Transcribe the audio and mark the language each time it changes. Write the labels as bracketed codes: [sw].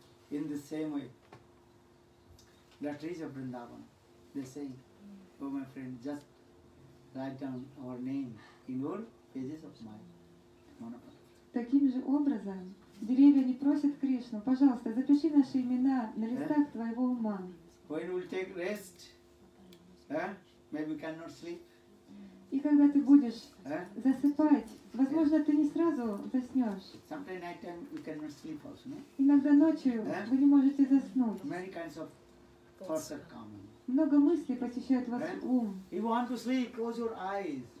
[en] In the same way, the trees of Vrindavan, they say, oh my friend, just write down our name in your pages of mind. [ru] Таким же образом, деревья не просят Кришну, пожалуйста, запиши наши имена на листах твоего ума. [en] When we'll take rest, maybe we cannot sleep. [ru] И когда ты будешь засыпать, возможно, ты не сразу заснешь. [en] Sometimes night time we cannot sleep also, no? [ru] Иногда ночью вы не можете заснуть. [en] Many kinds of thoughts are coming. [ru] Много мыслей посещают вас ум. [en] You want to sleep, close your eyes.